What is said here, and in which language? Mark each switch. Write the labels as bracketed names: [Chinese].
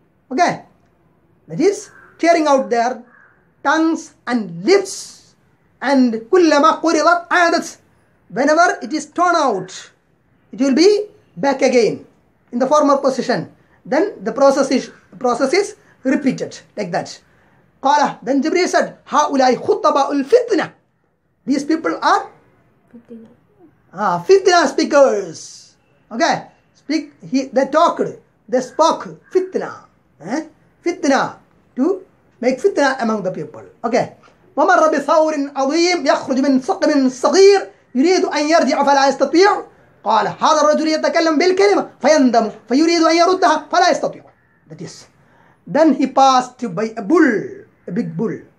[English] Okay, that is tearing out their tongues and lips, and [Arabic] kullama qurilat adat, [English] whenever it is torn out, it will be back again in the former position. Then the process is repeated like that. [Arabic] قال, [English] then Jibreel said, [Arabic] هؤلاء خطباء الفتنة. [English] These people are fitna speakers. Okay, speak. They spoke fitna. Fitna, to make fitna among the people. [Arabic] Okay, ومر بثور عظيم يخرج من سقم صغير يريد أن يرجع فلا يستطيع. قال هذا الرجل يتكلم بالكلمة فيندم فيريد أن يردها فلا يستطيع. [English] That is, then he passed by a bull, a big bull.